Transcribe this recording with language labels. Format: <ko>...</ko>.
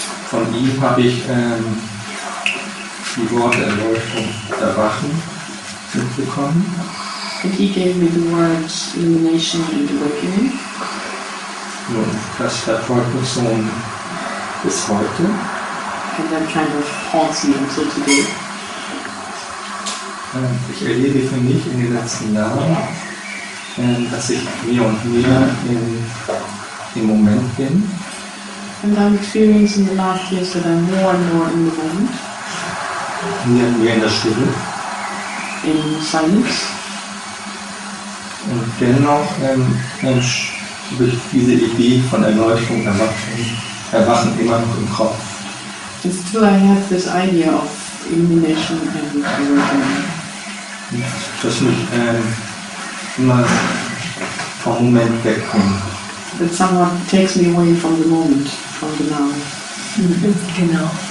<de>Von ihm habe ich die Worte Erleuchtung erwachen mitbekommen.</de> <en>And he gave me the words illumination and awakening.</en> <de>Nun, das verfolgt uns nun bis heute.</de> <en>And then kind of haunts me until today.</en> <de>Ich erlebe für mich in den letzten Jahren, dass ich mehr und mehr im Moment bin.</de> <en>And I'm experiencing the last years that I'm more and more in the moment.</en> <de>Mehr und mehr in der Stille.</de> <en>In silence.</en> <de>Und dennoch habe ich diese Idee von Erleuchtung erwachen immer noch im Kopf.</de> <en>And still I have this idea of illumination and awakening.</en> <de>Das mich immer vom Moment wegkommt.</de> <en>That someone takes me away from the moment, from the now.</en> <de>Genau.</de>